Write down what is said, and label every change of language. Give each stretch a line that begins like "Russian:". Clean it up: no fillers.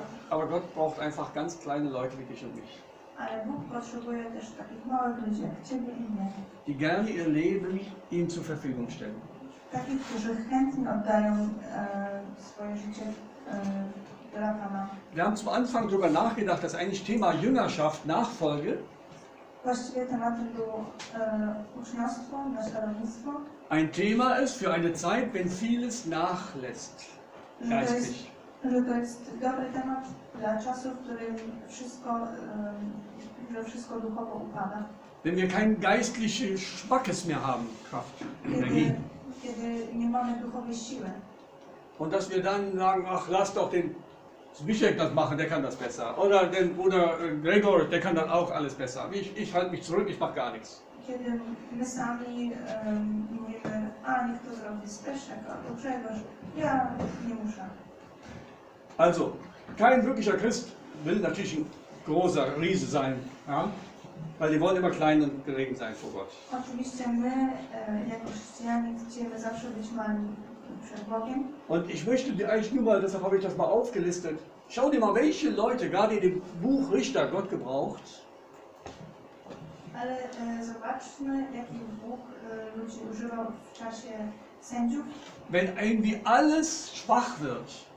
German: Aber Gott braucht einfach ganz kleine Leute wie dich und mich.
Polish: Ale Bóg potrzebuje też takich małych ludzi jak Ciebie i mnie.
German: Die gerne ihr Leben ihm zur Verfügung stellen.
Polish: Takich, którzy chętnie oddają swoje życie dla Pana.
German: Wir haben zum Anfang darüber nachgedacht, dass eigentlich Thema Jüngerschaft, Nachfolge,
Polish: właściwie tematem było uczniostwo, naśladownictwo,
German: ein Thema ist für eine Zeit, wenn vieles nachlässt, geistlich.
Polish: Że to jest dobry temat dla czasu, w którym wszystko, że wszystko duchowo upada.
German: Wenn wir keinen geistlichen Spackes mehr haben, Kraft, Energie.
Polish: Kiedy nie mamy duchowej siły.
German: Und dass wir dann sagen, ach, lass doch den Zbyszek das machen, der kann das besser. Oder den Bruder Gregor, der kann dann auch alles besser. Ich halte mich zurück, ich mache gar nichts.
Polish: Kiedy my sami mówimy, a niech to zrobi Zbyszek, a Gregor, ja nie muszę.
German: Also, kein wirklicher Christ will natürlich großer Riese sein, ja? Weil die wollen immer klein und gering sein vor Gott.
Polish: Oczywiście my, jako chrześcijanie, chcemy zawsze być mali przed Bogiem.
German: Und ich möchte dir eigentlich nur mal, deshalb habe ich das mal aufgelistet, schau dir mal, welche Leute gerade in dem Buch Richter Gott gebraucht.
Polish: Ale zobaczmy, jaki Bóg ludzi używał w czasie sędziów.
German: Wenn irgendwie alles schwach wird.